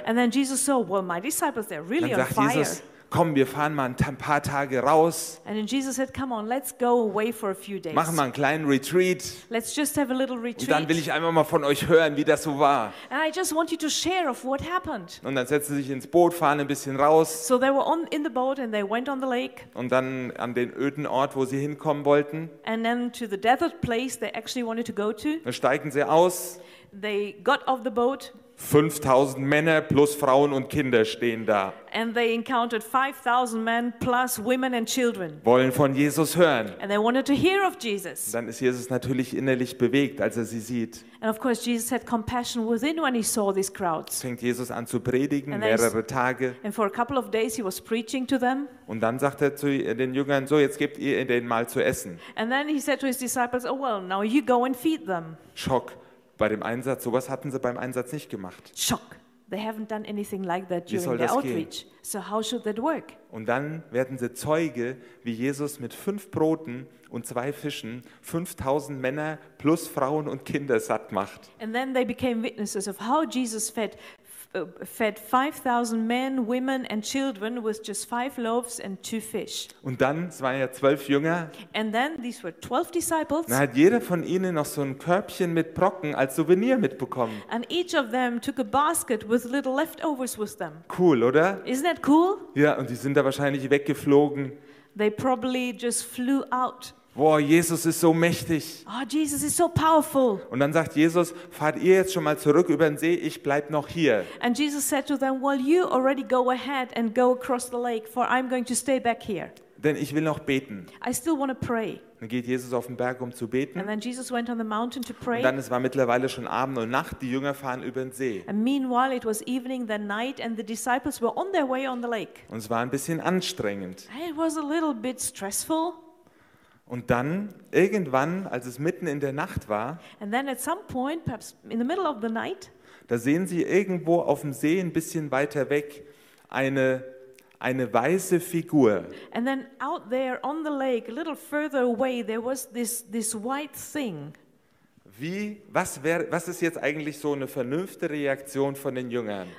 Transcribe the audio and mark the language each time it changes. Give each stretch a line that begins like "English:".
English: And then Jesus saw, well, my disciples, they're really on fire.
German: Dann sagt Jesus, komm, wir fahren mal ein paar Tage raus.
English: And then Jesus said, come on, let's go away for a few days.
German: Machen wir einen kleinen Retreat.
English: Let's just have a little retreat.
German: Und dann will ich einmal mal von euch hören, wie das so war.
English: And I just want you to share of what happened.
German: Und dann setzen sie sich ins Boot, fahren ein bisschen raus.
English: So they were in the boat and they went on the lake.
German: Und dann an den öden Ort, wo sie hinkommen wollten.
English: And then to the desert place they actually wanted to go to.
German: Dann steigen sie aus.
English: They got off the boat.
German: 5000 Männer plus Frauen und Kinder stehen da.
English: And they encountered 5000 men plus women and children.
German: Wollen von Jesus hören.
English: And they wanted to hear of Jesus.
German: Dann ist Jesus natürlich innerlich bewegt, als er sie sieht.
English: And of course Jesus had compassion within when he saw these crowds.
German: Fängt Jesus an zu predigen mehrere Tage.
English: And for a couple of days he was preaching to them.
German: Und dann sagt er zu den Jüngern, so jetzt gebt ihr ihnen mal zu essen.
English: And then he said to his disciples, oh well, now you go and feed them.
German: Schock. Bei dem Einsatz, sowas hatten sie beim Einsatz nicht gemacht. Schock.
English: They haven't done anything like that during the outreach. So how should that work?
German: Und dann werden sie Zeuge, wie Jesus mit 5 Broten und 2 Fischen 5000 Männer plus Frauen und Kinder satt macht.
English: And then they became witnesses of how Jesus fed 5000 men, women and children with just 5 loaves and 2 fish.
German: Und dann, es waren ja 12 Jünger.
English: And then these were 12 disciples.
German: Dann hat jeder von ihnen noch so ein Körbchen mit Brocken als Souvenir mitbekommen.
English: And each of them took a basket with little leftovers with them.
German: Cool, oder?
English: Isn't that cool?
German: Ja, und die sind da wahrscheinlich weggeflogen.
English: They probably just flew out.
German: Boah, Jesus ist so mächtig.
English: Oh, Jesus is so powerful.
German: Und dann sagt Jesus, fahrt ihr jetzt schon mal zurück über den See, ich bleib noch hier.
English: And Jesus said to them, well, you already go ahead and go across the lake, for I'm going to stay back here.
German: denn ich will noch beten.
English: I still want to pray.
German: Dann geht Jesus auf den Berg, um zu beten.
English: And then Jesus went on the mountain to pray.
German: Und dann, es war mittlerweile schon Abend und Nacht, die Jünger fahren über den See.
English: And meanwhile it was evening, then night, and the disciples were on their way on the lake.
German: Und es war ein bisschen anstrengend.
English: It was a little bit stressful.
German: Und dann irgendwann, als es mitten in der Nacht war,
English: and then at some point, perhaps in the middle of the night,
German: da sehen sie irgendwo auf dem See ein bisschen weiter weg eine weiße Figur.
English: And then out there on the lake, a little further away, there was this white thing.
German: Was ist jetzt eigentlich so eine vernünftige Reaktion von den Jüngern?